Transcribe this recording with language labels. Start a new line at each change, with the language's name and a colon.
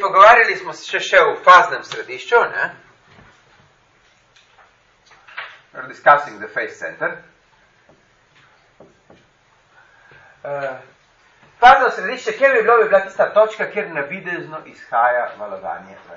Slovenian: Pogovarjali smo se še v faznem središču, ne?
English: We're discussing the phase center.
Slovenian: Fazno središče, kjer bi bilo, bi bila tista točka, kjer navidezno izhaja valovanje.